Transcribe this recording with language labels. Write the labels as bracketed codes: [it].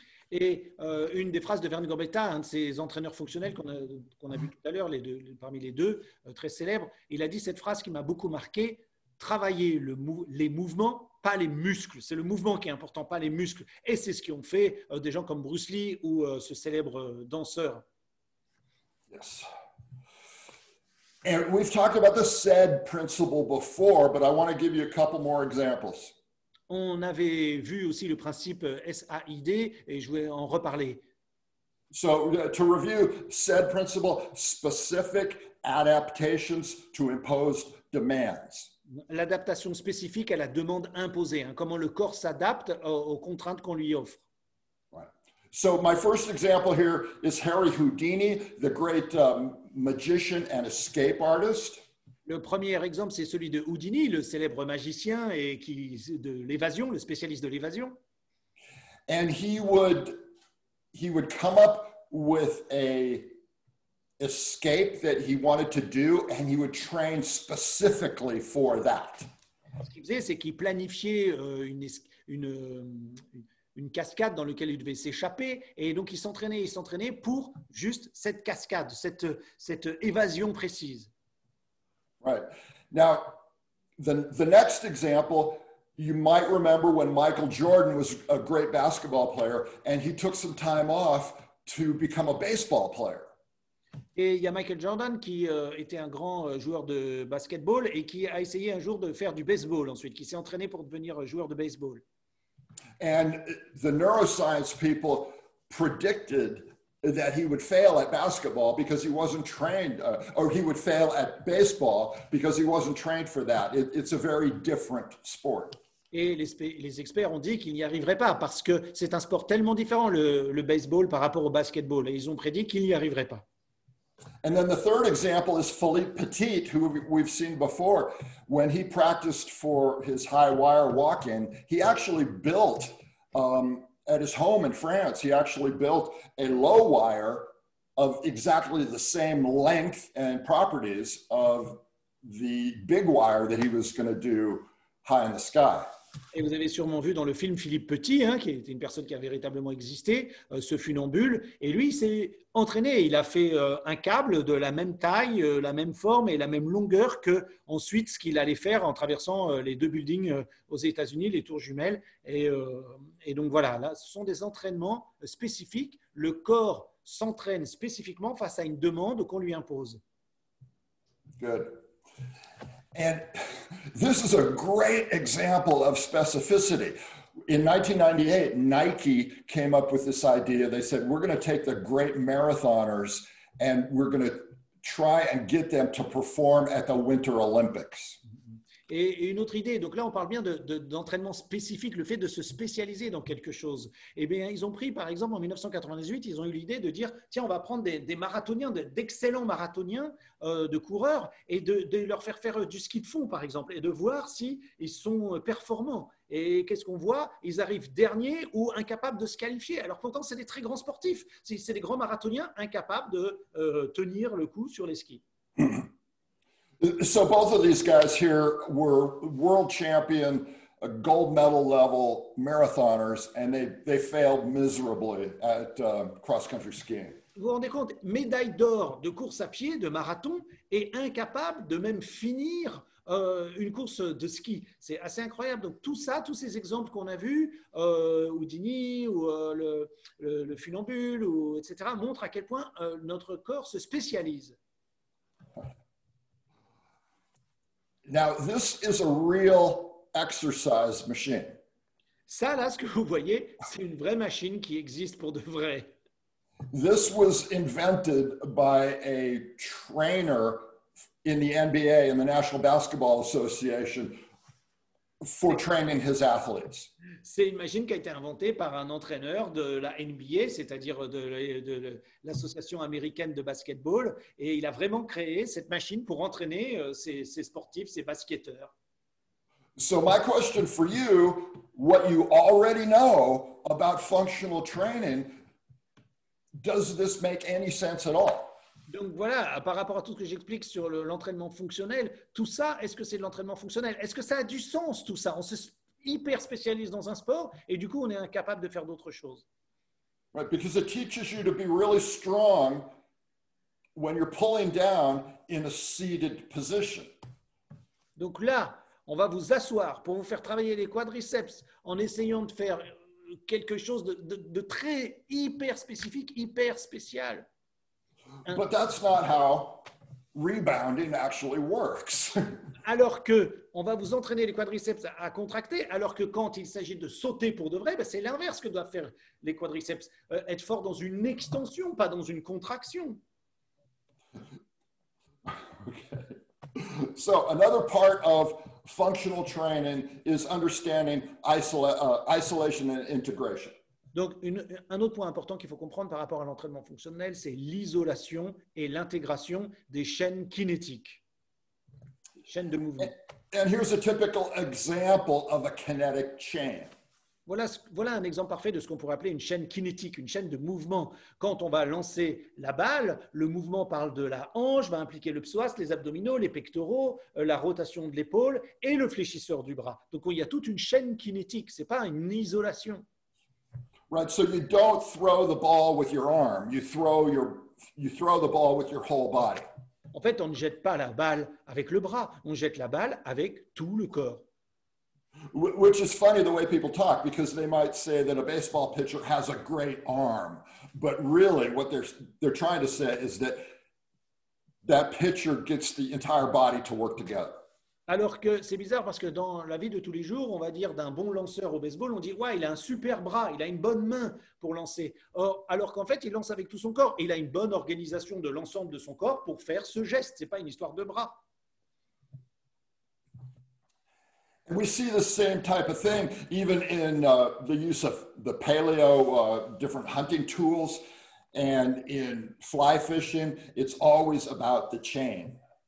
[fr] Et une des phrases de Vern Gambetta, un de ces entraîneurs fonctionnels qu'on a vu tout à l'heure, les deux, parmi les deux, très célèbres, il a dit cette phrase qui m'a beaucoup marqué, travailler les mouvements, pas les muscles. C'est le mouvement qui est important, pas les muscles. Et c'est ce qu'ont fait des gens comme Bruce Lee ou ce célèbre danseur. [en] Yes. And we've talked about the said principle before, but I want to give you a couple more examples. [fr] On avait vu aussi le principe SAID et je vais en reparler. [en] So, to review, said principle, specific adaptations to imposed demands. [fr] L'adaptation spécifique à la demande imposée, hein, comment le corps s'adapte aux contraintes qu'on lui offre. [en] Right. So, my first example here is Harry Houdini, the great magician and escape artist. [fr] Le premier exemple, c'est celui de Houdini, le célèbre magicien et qui de l'évasion, le spécialiste de l'évasion. [en] And he would come up with a escape that he wanted to do, and he would train specifically for that. [fr] Ce qu'il faisait, c'est qu'il planifiait une cascade dans laquelle il devait s'échapper, et donc il s'entraînait pour juste cette cascade, cette évasion précise. [en] Right. Now, the next example, you might remember when Michael Jordan was a great basketball player and he took some time off to become a baseball player. [fr] Et il y a Michael Jordan qui était un grand joueur de basketball et qui a essayé un jour de faire du baseball ensuite, qui s'est entraîné pour devenir joueur de baseball. [en] And the neuroscience people predicted that he would fail at basketball because he wasn't trained, or he would fail at baseball because he wasn't trained for that. It's a very different sport. [fr] Et les experts ont dit qu'il n'y arriverait pas parce que c'est un sport tellement différent, le baseball par rapport au basketball. Et ils ont prédit qu'il n'y arriverait pas. [en] And then the third example is Philippe Petit, who we've seen before. When he practiced for his high wire walk-in, he actually built at his home in France, he actually built a low wire of exactly the same length and properties of the big wire that he was going to do high in the sky. [fr] Et vous avez sûrement vu dans le film Philippe Petit, hein, qui était une personne qui a véritablement existé, ce funambule, et lui s'est entraîné. Il a fait un câble de la même taille, la même forme et la même longueur que ensuite ce qu'il allait faire en traversant les deux buildings aux États-Unis, les tours jumelles. Et donc voilà, là, ce sont des entraînements spécifiques. Le corps s'entraîne spécifiquement face à une demande qu'on lui impose. [en] Good. And this is a great example of specificity. In 1998, Nike came up with this idea. They said, we're going to take the great marathoners and we're going to try and get them to perform at the Winter Olympics. [fr] Et une autre idée, donc là on parle bien d'entraînement spécifique, le fait de se spécialiser dans quelque chose. Et bien ils ont pris, par exemple en 1998, ils ont eu l'idée de dire, tiens on va prendre des marathoniens, d'excellents marathoniens, de coureurs, et de leur faire faire du ski de fond par exemple, et de voir s'ils sont performants. Et qu'est-ce qu'on voit? Ils arrivent derniers ou incapables de se qualifier. Alors pourtant c'est des très grands sportifs, c'est des grands marathoniens incapables de tenir le coup sur les skis. [en] So both of these guys here were world champion, gold medal level marathoners, and they failed miserably at cross-country skiing. [fr] Vous vous rendez compte, médaille d'or de course à pied, de marathon, et incapable de même finir une course de ski. C'est assez incroyable. Donc tout ça, tous ces exemples qu'on a vus, Houdini, ou le funambule, ou, etc., montrent à quel point notre corps se spécialise. [en] Now, this is a real exercise machine. [fr] Ça, là, ce que vous voyez, c'est une vraie machine qui existe pour de vrai. [en] This was invented by a trainer in the NBA, in the National Basketball Association, for training his athletes. [fr] C'est une machine qui a été inventée par un entraîneur de la NBA, c'est-à-dire de l'Association américaine de basketball, et il a vraiment créé cette machine pour entraîner ses sportifs, ses basketteurs. [en] So my question for you, what you already know about functional training, does this make any sense at all? [fr] Donc voilà, par rapport à tout ce que j'explique sur l'entraînement fonctionnel, tout ça, est-ce que c'est de l'entraînement fonctionnel? Est-ce que ça a du sens tout ça? On se hyper spécialise dans un sport et du coup on est incapable de faire d'autres choses. [en] Right, because it teaches you to be really strong when you're pulling down in a seated position. [fr] Donc là, on va vous asseoir pour vous faire travailler les quadriceps en essayant de faire quelque chose de très hyper spécifique, hyper spécial. [en] But that's not how rebounding actually works. [fr] Alors que on va vous entraîner les quadriceps à contracter, alors que quand il s'agit de sauter pour de vrai, ben c'est l'inverse que doivent faire les quadriceps, être fort dans une extension, pas dans une contraction. [en] Okay. So another part of functional training is understanding isolation and integration. [fr] Donc, un autre point important qu'il faut comprendre par rapport à l'entraînement fonctionnel, c'est l'isolation et l'intégration des chaînes kinétiques, chaînes de mouvement. [en] And here's a typical example of a kinetic chain. [fr] Voilà un exemple parfait de ce qu'on pourrait appeler une chaîne kinétique, une chaîne de mouvement. Quand on va lancer la balle, le mouvement parle de la hanche, va impliquer le psoas, les abdominaux, les pectoraux, la rotation de l'épaule et le fléchisseur du bras. Donc, il y a toute une chaîne kinétique, ce n'est pas une isolation. [en] Right, so you don't throw the ball with your arm. You throw the ball with your whole body. [fr] En fait, on ne jette pas la balle avec le bras. On jette la balle avec tout le corps. [en] Which is funny the way people talk, because they might say that a baseball pitcher has a great arm, but really, what they're trying to say is that pitcher gets the entire body to work together. [fr] Alors que c'est bizarre parce que dans la vie de tous les jours, on va dire d'un bon lanceur au baseball, on dit « Ouais, il a un super bras, il a une bonne main pour lancer. » Alors qu'en fait, il lance avec tout son corps. Il a une bonne organisation de l'ensemble de son corps pour faire ce geste. Ce n'est pas une histoire de bras. [en] We see the same type of thing even in the use of the paleo, different hunting tools, and in fly fishing, it's always about the chain.